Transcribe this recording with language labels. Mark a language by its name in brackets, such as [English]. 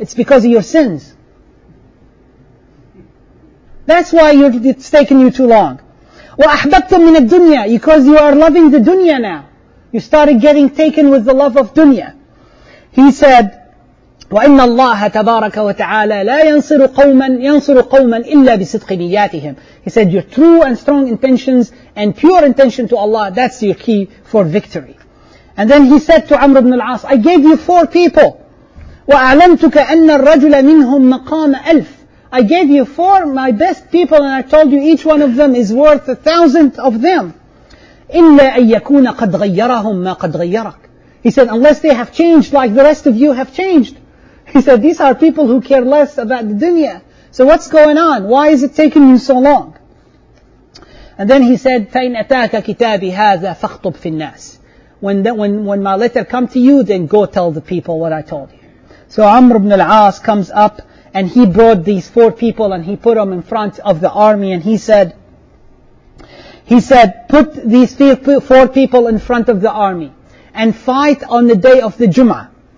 [English] It's because of your sins. That's why it's taken you too long. [Arabic] وَأَحْبَبْتُمْ مِنَ الدُّنْيَا. [English] Because you are loving the dunya now. You started getting taken with the love of dunya. He said, [Arabic] وَإِنَّ اللَّهَ تَبَارَكَ وَتَعَالَى لَا يَنْصِرُ قَوْمًا يَنْصِرُ قَوْمًا إِلَّا بِصِدْقِ نِيَّاتِهِمْ. [English] He said, your true and strong intentions and pure intention to Allah, that's your key for victory. And then he said to Amr ibn al-As, I gave you 4 people. [Arabic] وَأَعْلَمْتُكَ أَنَّ الرَّجُلَ مِنْهُمْ مَقَامَ أَلْفٍ. [English] I gave you 4 my best people, and I told you each one of them is worth 1,000 of them. [Arabic] إِلَّا أَن يَكُونَ قَدْ غَيَّرَهُمْ مَا قَدْ غَيَّرَكَ. [English] He said, unless they have changed like the rest of you have changed. He said, these are people who care less about the dunya. So what's going on? Why is it taking you so long? And then he said, [Arabic] فَإِنْ أَتَاكَ كِتَابِ هَذَا فَاخْطُبْ فِي النَّاسِ. [English] When my letter come to you, then go tell the people what I told you. So Amr ibn al-As comes up, and he brought these 4 people and he put them in front of the army, and he said, put these 4 people in front of the army and fight on the day of the Jum'ah.